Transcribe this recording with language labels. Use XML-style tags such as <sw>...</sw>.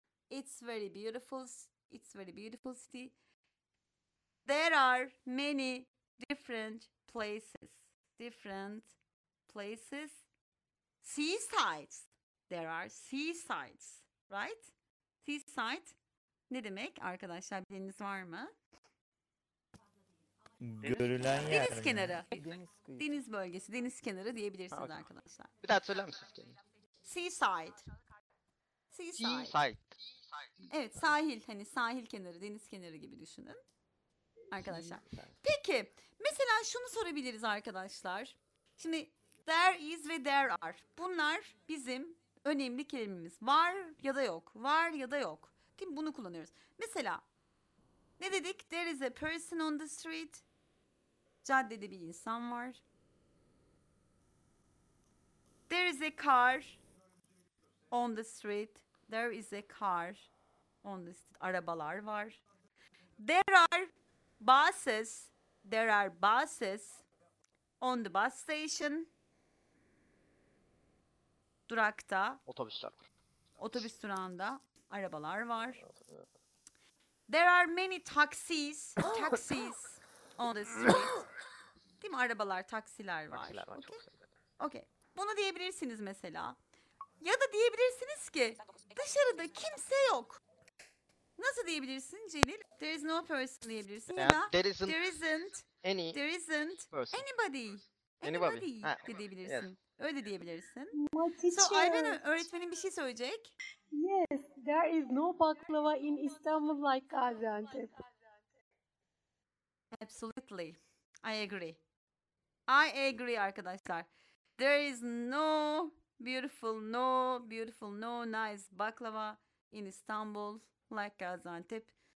<en>It's very beautiful. It's very beautiful city. There are many different places. Different places. Seasides. There are seasides, right? Seaside.</en> <tr>Ne demek arkadaşlar, deniz var mı? Görülen yer. Deniz kenarı. Deniz bölgesi, deniz kenarı diyebilirsiniz okay. Arkadaşlar. Bir daha söyler misiniz?</tr> <en>Seaside. Seaside. Seaside.</en> <tr>Evet, sahil, hani sahil kenarı, deniz kenarı gibi düşünün arkadaşlar. Peki, mesela şunu sorabiliriz arkadaşlar. Şimdi</tr> <en>there is</en> <tr>ve</tr> <en>there are.</en> <tr>Bunlar bizim önemli kelimemiz. Var ya da yok. Var ya da yok. Değil mi? Bunu kullanıyoruz. Mesela ne dedik?</tr> <en>There is a person on the street.</en> <tr>Caddede bir insan var.</tr> <en>There is a car on the street. There is a car on the street.</en> <tr>Arabalar var.</tr> <en>There are buses. There are buses on the bus station.</en> <tr>Durakta. Otobüsler var. Otobüs durağında arabalar var.</tr> <en>There are many taxis. Taxis on the street.</en> <tr>Değil mi? Arabalar, taksiler var. Taksiler var.</tr> <en>Okay. Okay.</en> <tr>Bunu diyebilirsiniz mesela. Ya da diyebilirsiniz ki dışarıda kimse yok. Nasıl diyebilirsin Celil?</tr> <en>There is no person</en> <tr>diyebilirsin.</tr> <en>Yeah. Ya there isn't. There isn't any. There isn't person. Anybody. Anybody.</en> <tr>De diyebilirsin.</tr> <en>Yes.</en> <tr>Öyle de diyebilirsin.</tr> <en>My teacher.</en> <tr>So Ayben öğretmenin bir şey söyleyecek.</tr> <en>Yes, there is no baklava in Istanbul like Gaziantep. Absolutely. I agree. I agree</en> <tr>arkadaşlar.</tr> <en>There is no beautiful, no beautiful, no nice baklava in Istanbul like Gaziantep.</en>